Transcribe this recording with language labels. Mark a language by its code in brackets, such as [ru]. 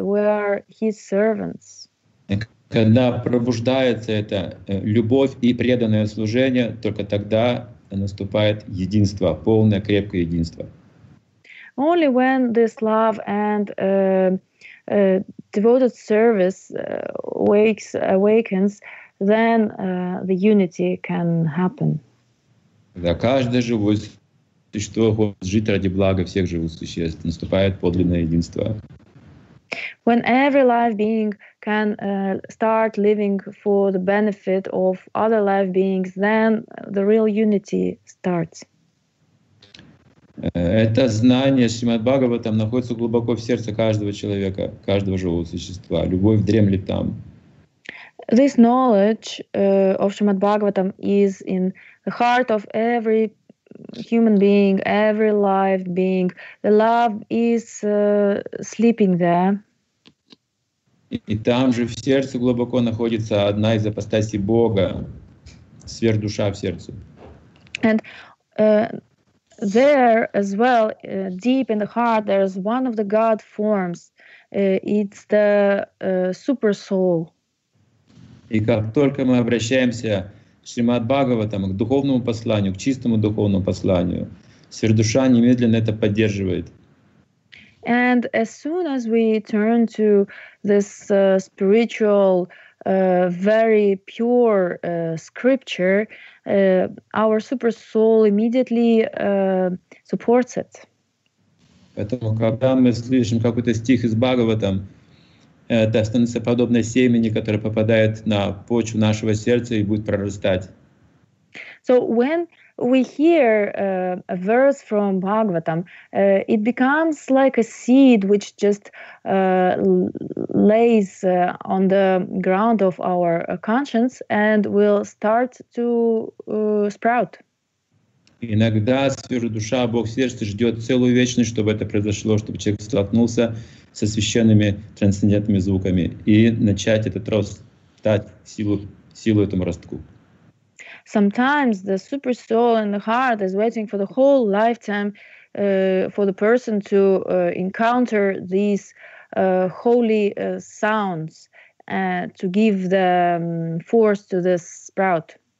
[en] We are His servants. [ru] Когда пробуждается эта любовь и преданное служение, только тогда наступает единство, полное крепкое единство. [en] Only when this love and devoted service awakens, then the unity can happen. [ru] Да, каждое живое существо хочет жить ради блага всех живых существ. Наступает подлинное единство. [en] When every live being can start living for the benefit of other live beings, then the real unity starts. [ru] Это знание Шримад-Бхагаватам находится глубоко в сердце каждого человека, каждого живого существа. Любовь дремлет там. [en] This knowledge of Shrimad Bhagavatam is in the heart of every human being, every live being. The love is sleeping there. [ru] И там же в сердце глубоко находится одна из апостасей Бога, сверхдуша в сердце. [en] And there as well, deep in the heart, there is one of the God forms. It's the super soul. [ru] И как только мы обращаемся к Шримад Бхагаватам, к духовному посланию, к чистому духовному посланию, сверхдуша немедленно это поддерживает. [en] And as soon as we turn to this spiritual, very pure scripture, our super soul immediately supports it. [ru] Поэтому, когда мы слышим какой-то стих из Бхагаватам, это становится подобно семени, которое попадает на почву нашего сердца и будет прорастать. [en] So when we hear a verse from Bhagavatam, it becomes like a seed which just lays on the ground of our conscience and will start to sprout. [ru] Иногда сверхдуша, Бог сердца, ждет целую вечность, чтобы это произошло, чтобы человек столкнулся со священными трансцендентными звуками и начать этот рост, дать силу этому ростку. [en] Sometimes the super soul in the heart is waiting for the whole lifetime for the person to encounter these holy sounds to give the force to this sprout.